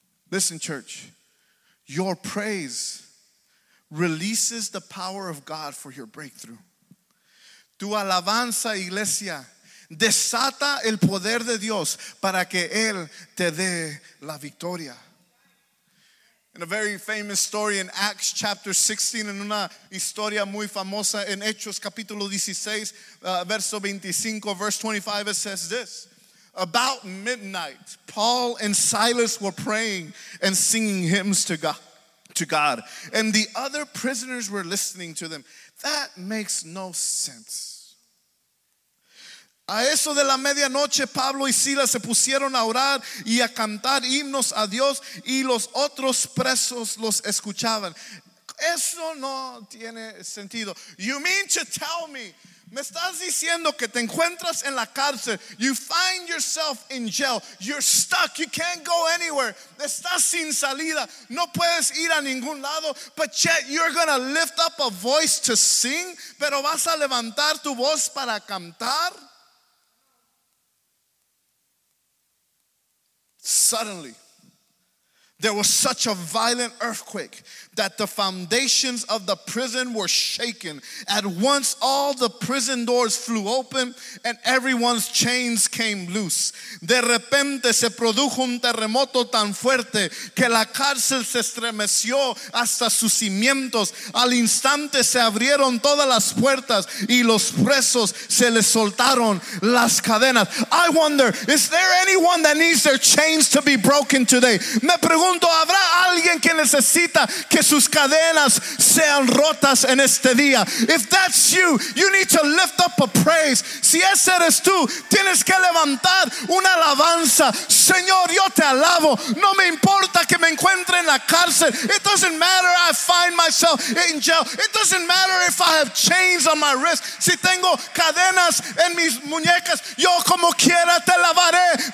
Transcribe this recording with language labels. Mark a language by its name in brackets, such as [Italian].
[English] Listen, church, your praise releases the power of God for your breakthrough. [Spanish] Tu alabanza, iglesia, desata el poder de Dios para que Él te dé la victoria. [English] In a very famous story in Acts chapter 16, [Spanish] en una historia muy famosa, en Hechos capítulo 16, verso 25, [English] verse 25, it says this. About midnight, Paul and Silas were praying and singing hymns to God, and the other prisoners were listening to them. That makes no sense. [Spanish] A eso de la medianoche, Pablo y Silas se pusieron a orar y a cantar himnos a Dios, y los otros presos los escuchaban. Eso no tiene sentido. [English] You mean to tell me, [Spanish] me estás diciendo que te encuentras en la cárcel. [English] You find yourself in jail. You're stuck. You can't go anywhere. [Spanish] Estás sin salida. No puedes ir a ningún lado. [English] But yet you're going to lift up a voice to sing. [Spanish] Pero vas a levantar tu voz para cantar. [English] Suddenly, there was such a violent earthquake that the foundations of the prison were shaken. At once, all the prison doors flew open and everyone's chains came loose. [Spanish] De repente se produjo un terremoto tan fuerte que la cárcel se estremeció hasta sus cimientos. Al instante se abrieron todas las puertas y los presos se les soltaron las cadenas. [English] I wonder, is there anyone that needs their chains to be broken today? [Spanish] Me pregunto, ¿habrá alguien que necesita que sus cadenas sean rotas en este día? [English] If that's you, you need to lift up a praise. [Spanish] Si ese eres tú, tienes que levantar una alabanza. Señor, yo te alabo. No me importa que me encuentre en la cárcel. [English] It doesn't matter if I find myself in jail. It doesn't matter if I have chains on my wrist. [Spanish] Si tengo cadenas en mis muñecas, yo como quiera te alabaré.